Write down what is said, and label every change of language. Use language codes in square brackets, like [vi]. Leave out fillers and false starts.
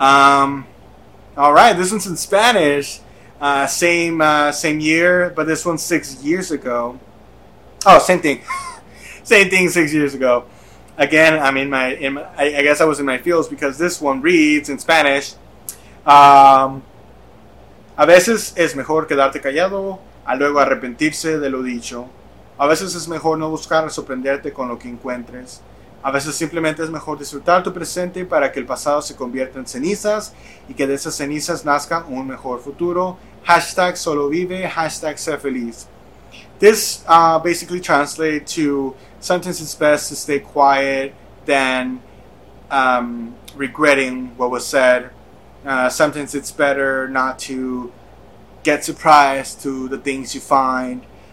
[en] All right, this one's in Spanish. Same year, but this one's 6 years ago. Oh, same thing. Same thing 6 years ago. Again, I'm I guess I was in my feels, because this one reads in Spanish. [es] A veces es mejor quedarte callado a luego arrepentirse de lo dicho. A veces es mejor no buscar sorprenderte con lo que encuentres. A veces simplemente es mejor disfrutar tu presente para que el pasado se convierta en cenizas y que de esas cenizas nazca un mejor futuro. Hashtag solo vive, hashtag sé feliz. [en] This basically translates to, sometimes it's best to stay quiet than regretting what was said. Sometimes it's better not to get surprised to the things you find.